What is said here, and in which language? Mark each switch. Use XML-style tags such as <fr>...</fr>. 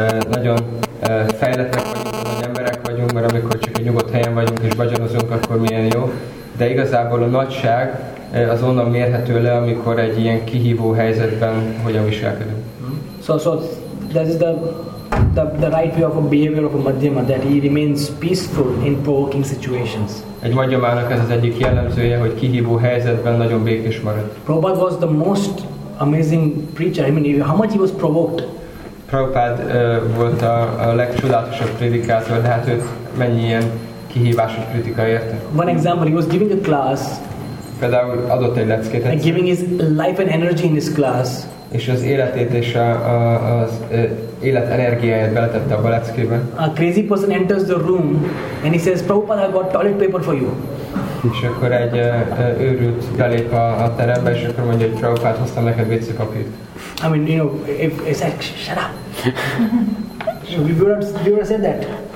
<hu>Nagyon fejlettek vagyunk, nagy emberek vagyunk, mert amikor csak egy nyugodt helyen vagyunk és bhajanozunk, akkor milyen jó. De igazából a nagyság az onnan mérhető le, amikor egy ilyen kihívó helyzetben hogyan viselkedünk.</hu> <en>So that is the right way of a behavior of a madhyama, that he remains peaceful in provoking situations.</en> <hu>Egy madhyamának ez az egyik jellemzője, hogy kihívó helyzetben nagyon békés marad.</hu> <en>Prabhupada was the most amazing preacher. I mean, how much he was provoked.</en> <hu>Prabhupada volt a legcsodálatosabb prédikátor, de hát ő mennyi ilyen kihívásos kritika érte.</hu> <en>One example, he was giving a class.</en> <hu>Például adott egy leckét.</hu> <en>And giving his life and energy in his class.</en> <hu>És az életét és az élet energiáját beletette abba a leckébe.</hu> <en>A crazy person enters the room and he says, Prabhupada, I got toilet paper for you.</en> <hu>És akkor egy őrült belép a terembe, és akkor mondja, hogy Prabhupát, hoztam neked vécépapírt.</hu> <en>I mean, you know, if it's like, shut up. So we would have said that.</en>